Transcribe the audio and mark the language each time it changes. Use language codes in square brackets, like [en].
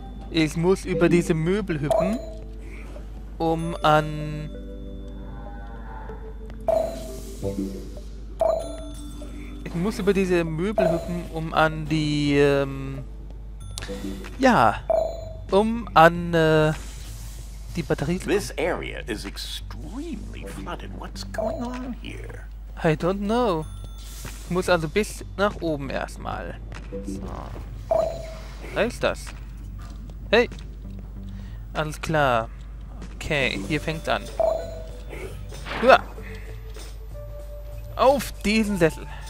[de] Ich muss über diese Möbel hüpfen, um an... Ich muss über diese Möbel hüpfen, um an die, ja, um an, die Batterie zu... [en] This area is extremely flooded. What's going on here? I don't know. [de] Ich muss also bis nach oben erstmal. So. Reicht das? Hey! Alles klar. Okay, hier fängt's an. Uah. Auf diesen Sessel.